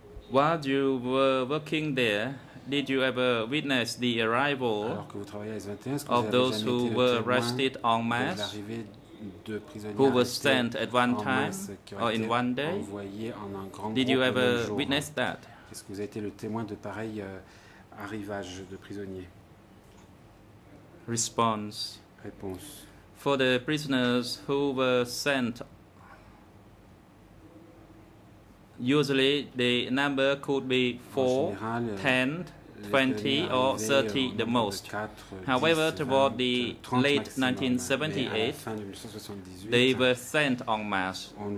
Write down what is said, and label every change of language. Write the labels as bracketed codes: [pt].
[en] While you were working there, did you ever witness the arrival of those who were arrested en masse, who were sent at one time or in one day? Did you ever witness that? [fr] Est-ce que vous avez été le témoin de pareil arrivage de prisonniers? Réponse. [en] For the prisoners who were sent, usually the number could be 4, 10, 20 or 30 the most. However, toward the late 1978, they were sent en masse.